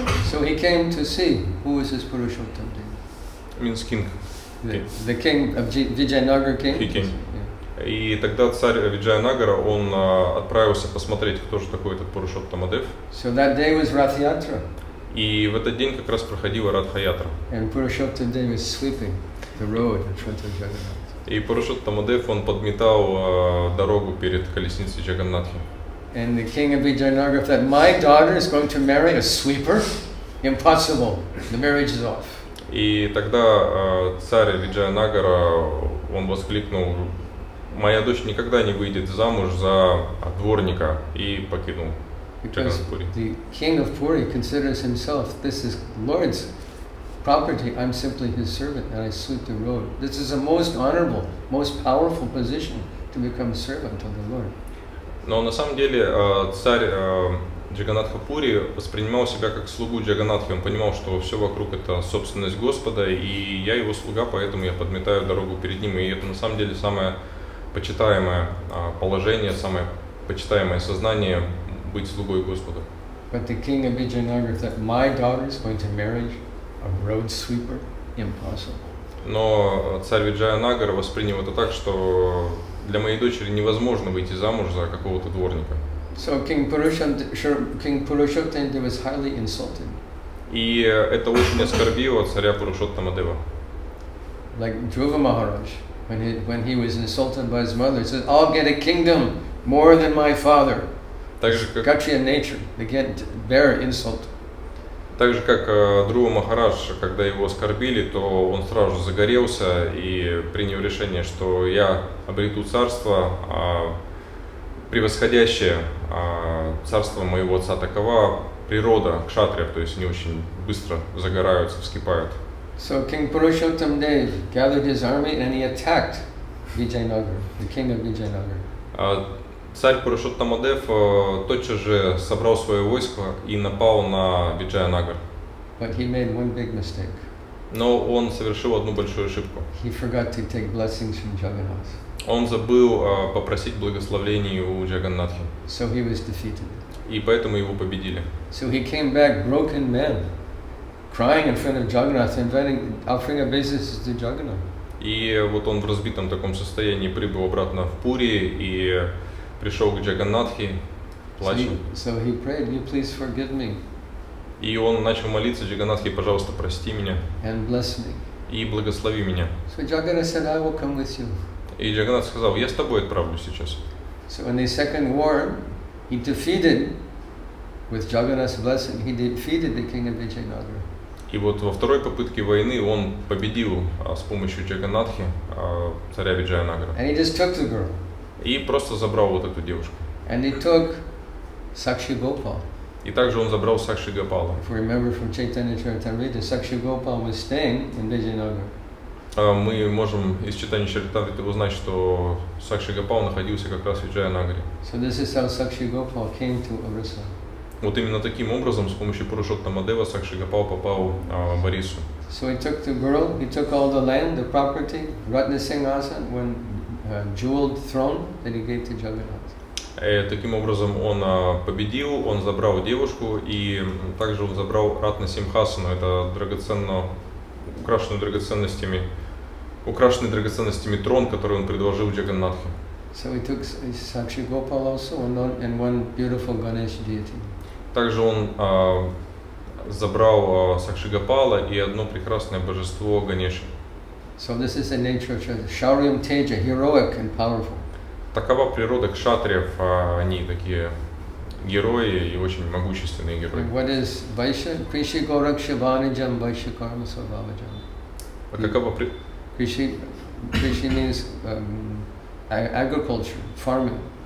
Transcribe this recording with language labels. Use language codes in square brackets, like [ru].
[en] So he came to see who is this Purushottam Dev. Means king. The king of Vijayanagara king. He came. Yeah. [ru] И тогда царь Виджаянагара, он отправился посмотреть, кто же такой этот Пурушоттамадев. [en] So that day was Ratha Yatra. [ru] И в этот день как раз проходила Ратха Ятра. [en] And Purushottamadev was sweeping the road in front of Jagannath. [ru] И Пурушоттамадев, он подметал дорогу перед колесницей Джаганнатхи. [en] And the king of Vijayanagara said, "My daughter is going to marry a sweeper? Impossible. The marriage is off." [ru] И тогда царь Виджаянагара, он воскликнул: "Моя дочь никогда не выйдет замуж за дворника", и покинул Джаганнатхапури. [en] The king of Puri considers himself, this is Lord's property. I'm simply his servant, and I sweep the road. This is the most honorable, most powerful position to become servant of the Lord. [ru] Но на самом деле царь Джаганнатхапури воспринимал себя как слугу Джаганнатхи. Он понимал, что все вокруг — это собственность Господа, и я его слуга, поэтому я подметаю дорогу перед ним. И это на самом деле самое почитаемое положение, самое почитаемое сознание — быть слугой Господа. [en] But the king of Vijayanagara said, "My daughter is going to marry a road sweeper? Impossible." [ru] Но царь Виджаянагара воспринял это так, что для моей дочери невозможно выйти замуж за какого-то дворника. [en] So King Purushottamadeva was highly insulted. [ru] И это очень оскорбило царя Пурушоттамадева. [en] Like Dhruva Maharaj, when he was insulted by his mother, he said, "I'll get a kingdom more than my father." [ru] Также как [en] Kshatriya nature, they get their insult. [ru] Так же, как Друва Махарадж, когда его оскорбили, то он сразу же загорелся и принял решение, что я обрету царство, превосходящее царство моего отца. Такова природа кшатриев, то есть они очень быстро загораются, вскипают. [en] So King Purushottamadev gathered his army and he attacked Vijayanagara, the king of Vijayanagara. [ru] Царь Пурушоттамадев тотчас же собрал свое войско и напал на Виджаянагар. [en] But he made one big mistake. [ru] Но он совершил одну большую ошибку. [en] He forgot to take blessings from Jagannath. [ru] Он забыл попросить благословений у Джаганнатхи. [en] So he was defeated. [ru] И поэтому его победили. [en] So he came back broken man, crying in front of Jagannath, inviting, offering obeisances to Jagannath. [ru] И вот он в разбитом таком состоянии прибыл обратно в Пури и пришел к Джаганнатхи, плачу. [en] So he prayed, "You please forgive me." [ru] И он начал молиться: "Джаганнатхи, пожалуйста, прости меня. [en] And bless me. [ru] И благослови меня." [en] So Jagannath said, "I will come with you." [ru] И Джаганнатх сказал: "Я с тобой отправлюсь сейчас." [en] So in the second war, he defeated, with Jagannath's blessing, he defeated the king of Vijayanagara. [ru] И вот во второй попытке войны он победил с помощью Джаганнатхи царя Виджаянагара. [en] And he just took the girl. [ru] И просто забрал вот эту девушку. [en] And he took Sakshi Gopal. [ru] И также он забрал Сакши Гопала. [en] If you remember from Chaitanya Charitamrita, Sakshi Gopal was staying in Vijayanagara. [ru] Мы можем из Chaitanya Charitamrita узнать, что Сакши Гопал находился как раз в Виджаянагаре. [en] So this is how Sakshi Gopal came to Orissa. [ru] Вот именно таким образом, с помощью Пурушоттамадева, Сакши Гопал попал в Орису. [en] So he took the girl, he took all the land, the property, Ratnasinghasan, when jeweled throne that he gave to Jagannath. [ru] Таким образом он победил, он забрал девушку, и также он забрал Ратнасимхасану, это украшенный драгоценностями трон, который он предложил Джаганнатхе. [en] So he took Sakshi Gopal also and one beautiful Ganesh deity. [ru] Также он забрал Сакши Гопала и одно прекрасное божество Ганеши. [en] So this is the nature of Shauryam Teja, heroic and powerful. [ru] Такова природа кшатриев, они такие герои и очень могущественные герои. [en] And what is Vaishya? [sa] Krishi Gorakshavanijam Vaishya Karma Svabhavajam. [en] Krishi means agriculture, farming.